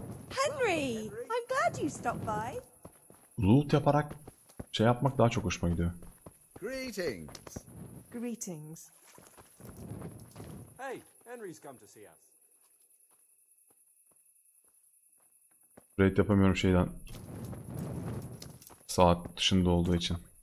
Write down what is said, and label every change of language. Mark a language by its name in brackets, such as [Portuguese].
[English] Henry, I'm glad you stopped by. [Turkish] Loot yaparak şey yapmak daha çok hoşuma gidiyor. [English] Greetings. Greetings. Hey, Henry's come to see us. [Turkish] Raid yapamıyorum şeyden. Saat dışında olduğu için.